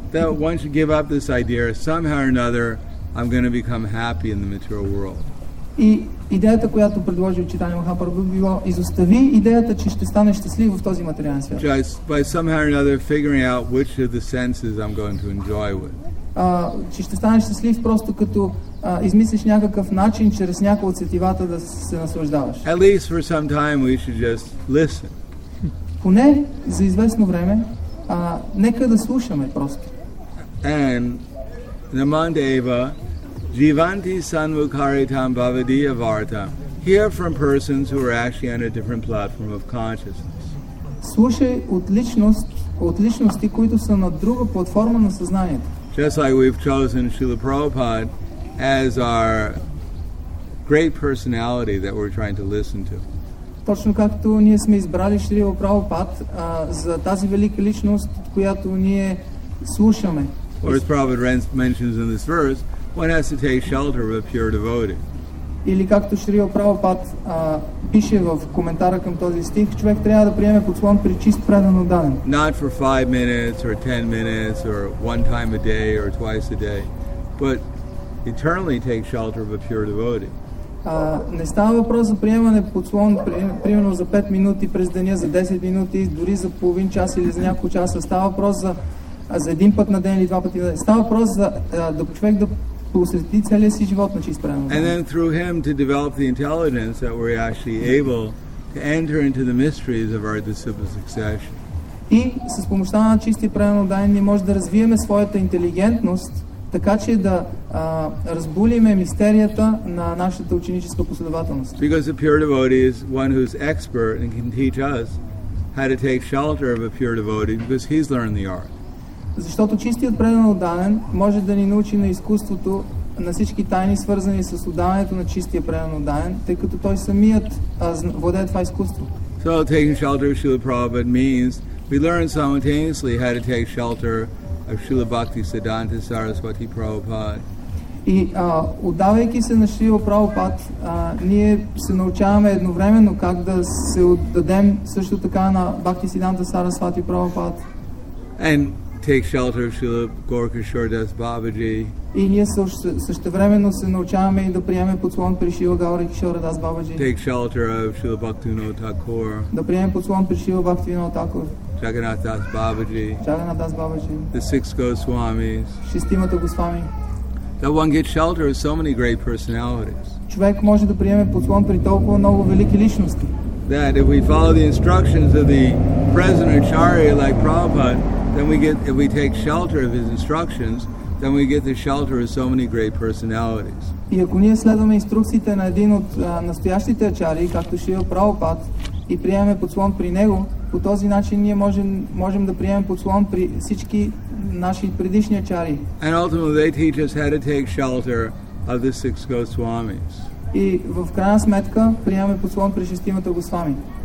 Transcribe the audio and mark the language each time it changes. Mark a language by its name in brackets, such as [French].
[English] That one should give up this idea, somehow or another, I'm going to become happy in the material world. [Bulgarian] И идеята, която предложил Чайтанья Махапрабху, било изостави идеята, че ще стане щастлив в този материален свят. [English] Just by somehow or another figuring out which of the senses I'm going to enjoy with. [Bulgarian] Че ще станеш щастлив просто като измислиш някакъв начин чрез някои от сетивата да се наслаждаваш. [English] At least for some time we should just listen. [Bulgarian] Поне за известно време, нека да слушаме просто. [Sanskrit] And Namandeva Jivanti Sanvukaritam Bhavadiya Varta. [English] Hear from persons who are actually on a different platform of consciousness. [Bulgarian] Слушай от личности, които са на друга платформа на съзнанието. [English] Just like we've chosen Srila Prabhupada as our great personality that we're trying to listen to. [Bulgarian] Точно както ние сме избрали Шрила Прабхупад за тази велика личност, която ние слушаме. [English] Or as Prabhupada mentions in this verse, one has to take shelter of a pure devotee. [Bulgarian] Или както Шрила Прабхупад пише в коментара към този стих, човек трябва да приеме подслон при чист предан отдаден. [English] Not for 5 minutes or 10 minutes or one time a day or twice a day, but eternally take shelter of a pure devotee. [Bulgarian] Не става въпрос за приемане подслон примерно за 5 минути през деня, за 10 минути, дори за половин час или за няколко часа. Става въпрос за един път на ден или два пъти на ден. Става въпрос за да човек да посвети целия си живот на чист преданост. [English] And then through him to develop the intelligence that we're actually able to enter into the mysteries of our disciple succession. [Bulgarian] И с помощта на чистия преданост ние може да развиеме своята интелигентност, така че да разбулиме мистерията на нашата ученическа последователност. [English] Because a pure devotee is one who's expert and can teach us how to take shelter of a pure devotee because he's learned the art. [Bulgarian] Защото чистият предан отдаден може да ни научи на изкуството, на всички тайни, свързани с отдаването на чистия предан отдаден, тъй като той самият владее това изкуство. [English] So taking shelter of Srila Prabhupada means we learn simultaneously how to take shelter of Srila Bhakti Siddhanta Saraswati Prabhupada. [Bulgarian] И отдавайки се на Шрила Прабхупад, ние се научаваме едновременно как да се отдадем също така на Бхакти Сиданта Сарасвати Прабхупад. [English] And take shelter of Srila Gaurakishore Das Babaji. [Bulgarian] И ние същевременно се научаваме и да приемем подслон при Шрила Гаурикишора Дас Бабаджи. [English] Take shelter of Srila Bhaktivinoda Thakur. [Bulgarian] Да приемем подслон при Шрила Бхактивинода Такур. [English] Jagannath Das Babaji. [Bulgarian] Jagannath Das Babaji. [English] The six Goswamis. [Bulgarian] Шестимата Госвами. [English] That one gets shelter of so many great personalities. [Bulgarian] Човек може да приеме подслон при толкова много велики личности. [English] That if we follow the instructions of the present Acharya like Prabhupada, then we get, if we take shelter of his instructions, then we get the shelter of so many great personalities. [Bulgarian] И ако ние следваме инструкциите на един от настоящите Ачари, както Шрила Прабхупад, и приемем подслон при него, по този начин ние можем да приемем подслон при всички наши предишни Ачари. [English] And ultimately they teach us how to take shelter of the six Goswamis. [Bulgarian] И в крайна сметка приемаме подслон при шестимата Госвами.